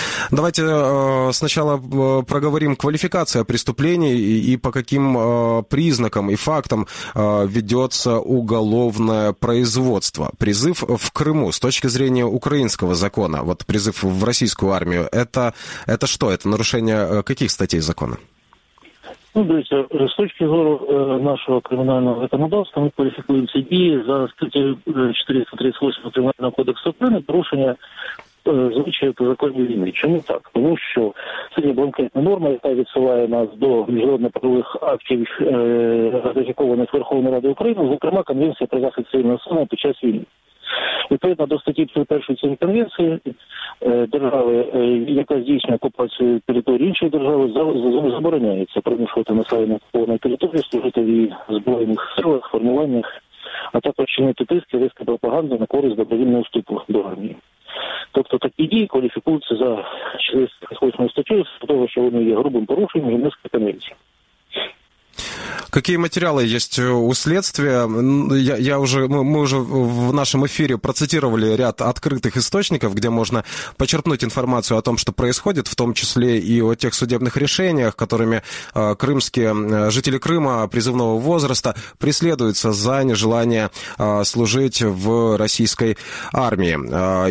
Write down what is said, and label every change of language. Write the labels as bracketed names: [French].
[Russian] Давайте сначала проговорим квалификация преступлений и по каким признакам и фактам ведется уголовное производство. Призыв в Крыму с точки зрения украинского закона, вот призыв в российскую армию, это что? Это нарушение каких статей закона? [Ukrainian] Ну, дивіться, з точки зору нашого кримінального законодавства ми кваліфікуємо ці дії за статтю 438 Кримінального кодексу України порушення звичаю по закону війни. Чому так? Тому що це є бланкетна норма, яка відсилає нас до міжнародно-правових актів, ратифікованих Верховною Радою України, зокрема, Конвенція про захист цивільного населення під час війни. Відповідно до статті 31 цієї конвенції, держави, яка здійснює окупацію території іншої держави, забороняється примушувати населення окупованої території, служити в її збройних силах, формуваннях, а також чинити тиски, риски пропаганди на користь добровільного вступу до армії. Тобто такі дії кваліфікуються за 48 статтю з того, що вони є грубим порушенням Женевської конвенції. [Russian] Какие материалы есть у следствия? Мы уже в нашем эфире процитировали ряд открытых источников, где можно почерпнуть информацию о том, что происходит, в том числе и о тех судебных решениях, которыми крымские жители Крыма призывного возраста преследуются за нежелание служить в российской армии.